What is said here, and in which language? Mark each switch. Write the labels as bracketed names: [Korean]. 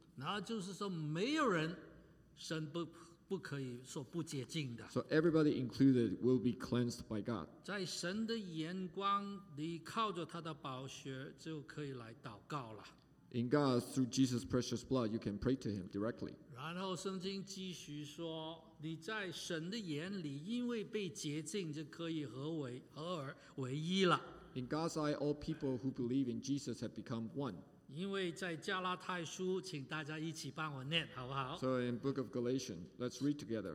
[Chinese] 那就是说没有人神不可以说不洁净的。 [English] So everybody included will be cleansed by God. [Chinese] 在神的眼光，你靠着他的宝血就可以来祷告了。 [English] In God, through Jesus' precious blood, you can pray to him directly. [Chinese] 然后圣经继续说，你在神的眼里因为被洁净就可以合而为一了。 [English] In God's eye, all people who believe in Jesus have become one. [Chinese] 因为在加拉太书，请大家一起帮我念，好不好？ [English] So in Book of Galatians, let's read together.